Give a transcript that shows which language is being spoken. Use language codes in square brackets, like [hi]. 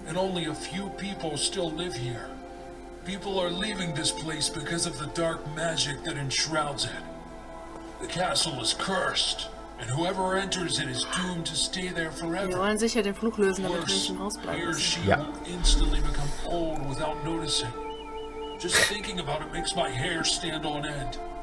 [en] And only a few people still live here. People are leaving this place because of the dark magic that enshrouds it. The castle is cursed, and whoever enters it is doomed to stay there forever. [de] Wir wollen sicher den Fluch lösen, damit wir nicht im Haus bleiben. [en] Here she will instantly become old without noticing. Just thinking about it makes my hair stand on end.